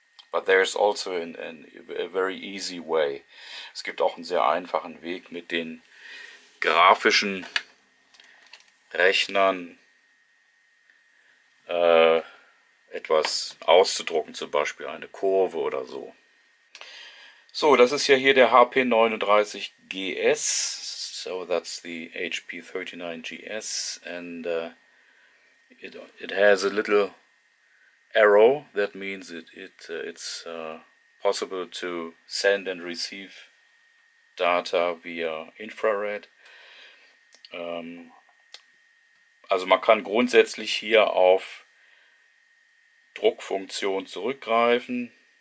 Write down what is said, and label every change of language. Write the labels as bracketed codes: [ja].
[en] But there is also a very easy way. [de] Es gibt auch einen sehr einfachen Weg mit den grafischen Rechnern etwas auszudrucken, zum Beispiel eine Kurve oder so. So, das ist ja hier der HP39GS. [en] So, that's the HP39GS. And it has a little arrow, that means it's possible to send and receive data via infrared. [de] Also man kann grundsätzlich hier auf Druckfunktion zurückgreifen.